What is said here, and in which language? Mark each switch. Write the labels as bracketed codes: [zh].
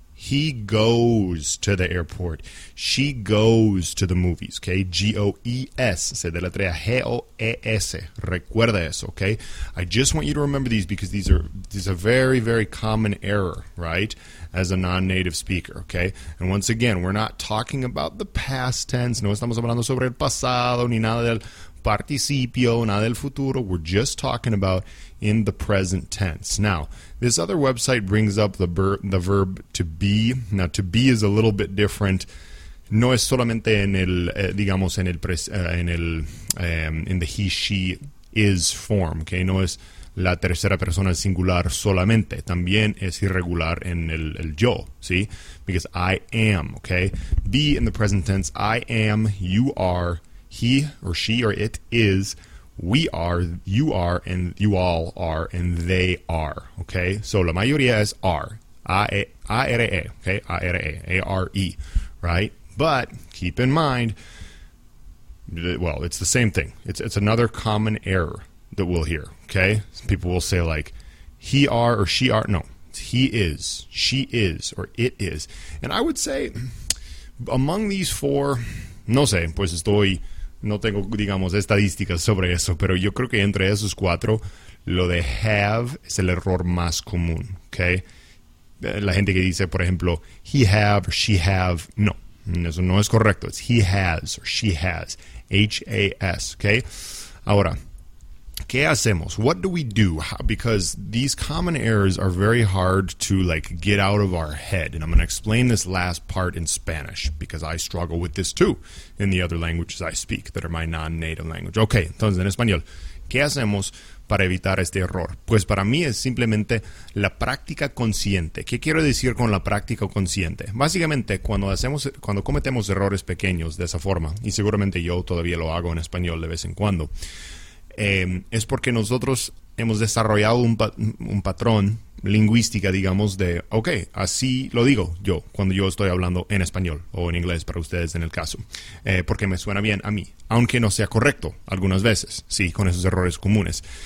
[en] He goes to the airport. She goes to the movies, okay? [es] G-O-E-S. Se deletrea G-O-E-S. Recuerda eso, okay? [en] I just want you to remember these because these are very, very common error, right, as a non-native speaker, okay? And once again, we're not talking about the past tense. [es] No estamos hablando sobre el pasado ni nada del participio, nada del futuro. [en] We're just talking about in the present tense. Now, this other website brings up the verb to be. Now, to be is a little bit different. [es] No es solamente en el, [en] digamos, en el, in the he, she, is form. [es] Okay, no es la tercera persona singular solamente. También es irregular en el yo, ¿sí? [en] Because I am, [es] okay? [en] Be in the present tense. I am, you are, he or she or it is, we are, and you all are, and they are, okay? [es] So la mayoría es are, A-R-E, okay? [en] A-R-E, A-R-E, right? But keep in mind, well, it's the same thing. It's another common error that we'll hear, okay? Some people will say like, he are or she are, no, it's he is, she is, or it is. And I would say, among these four, [es] no sé, pues estoy... No tengo, digamos, estadísticas sobre eso, pero yo creo que entre esos cuatro, lo de have es el error más común, ¿okay? La gente que dice, por ejemplo, he have, she have, no, eso no es correcto, es he has or she has, H-A-S, ¿okay? Ahora, ¿qué hacemos? [en] What do we do? Because these common errors are very hard to, like, get out of our head. And I'm going to explain this last part in Spanish, because I struggle with this too in the other languages I speak that are my non-native language. [es] Okay, entonces, en español, ¿qué hacemos para evitar este error? Pues para mí es simplemente la práctica consciente. ¿Qué quiero decir con la práctica consciente? Básicamente, cuando cometemos errores pequeños de esa forma, y seguramente yo todavía lo hago en español de vez en cuando, es porque nosotros hemos desarrollado un patrón lingüística, digamos, de, ok, así lo digo yo cuando yo estoy hablando en español o en inglés para ustedes en el caso, porque me suena bien a mí, aunque no sea correcto algunas veces, sí, con esos errores comunes.